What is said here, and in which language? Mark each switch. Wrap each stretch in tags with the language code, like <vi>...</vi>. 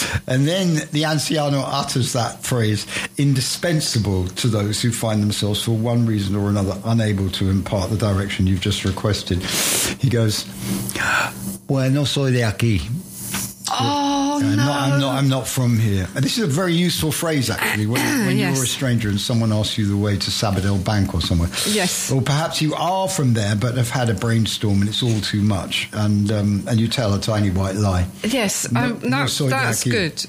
<en>And then the anciano utters that phrase, indispensable to those who find themselves, for one reason or another, unable to impart the direction you've just requested. He goes,</en> <es>bueno, soy de aquí.</es> <en>I'm not from here. And this is a very useful phrase, actually, when yes, you're a stranger and someone asks you the way to Sabadell Bank or somewhere. Yes. Or perhaps you are from there but have had a brainstorm and it's all too much, and you tell a tiny white lie. Yes, that's good.</en>